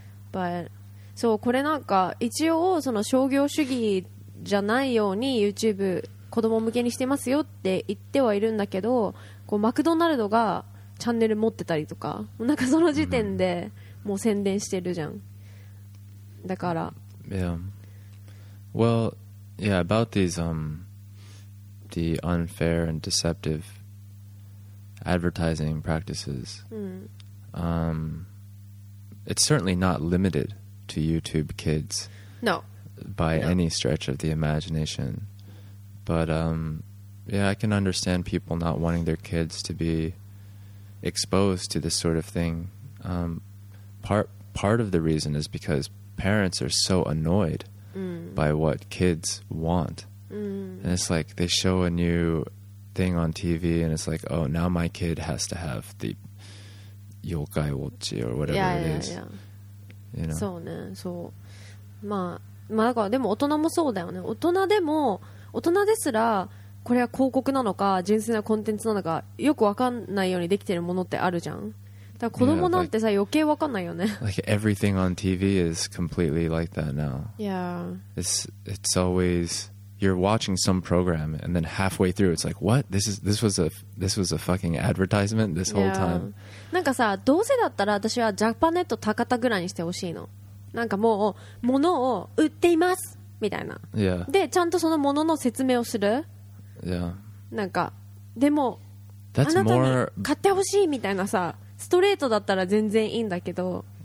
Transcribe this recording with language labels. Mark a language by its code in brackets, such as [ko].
[en] But [ja] そうこれなんか一応その商業主義じゃないように YouTube 子供向けにしてますよって言ってはいるんだけどこうマクドナルドがチャンネル持ってたりとかなんかその時点でもう宣伝してるじゃんだから [en] Yeah Well yeah about these The unfair and deceptive advertising practices. Mm. It's certainly not limited to YouTube kids. No. By any stretch of the imagination. But, yeah, I can understand people not wanting their kids to be exposed to this sort of thing. Part of the reason is because parents are so annoyed by what kids want. And it's like they show a new thing on TV, and it's like, oh, now my kid has to have the yokai watchi or whatever yeah, it yeah, is. Yeah, yeah, yeah. [ja] そうね、そう。まあ、まあだからでも大人もそうだよね。大人でも大人ですらこれは広告なのか純粋なコンテンツなのかよく分かんないようにできてるものってあるじゃん。だから子供なんてさ余計分かんないよね。 [en] Like everything on TV is completely like that now. Yeah. It's always. You're watching some program and then halfway through it's like what? This was a fucking advertisement this whole time. [ja] なんかさどうせだったら私はジャパネット高田ぐらいにしてほしいの。なんかもう物を売っていますみたいな。 [en] Yeah. [ja] でちゃんとその物の説明をする。 [en] Yeah. [ja] なんかでも [en] That's [ja] あなたに [en] more... [ja] 買ってほしいみたいなさストレートだったら全然いいんだけど、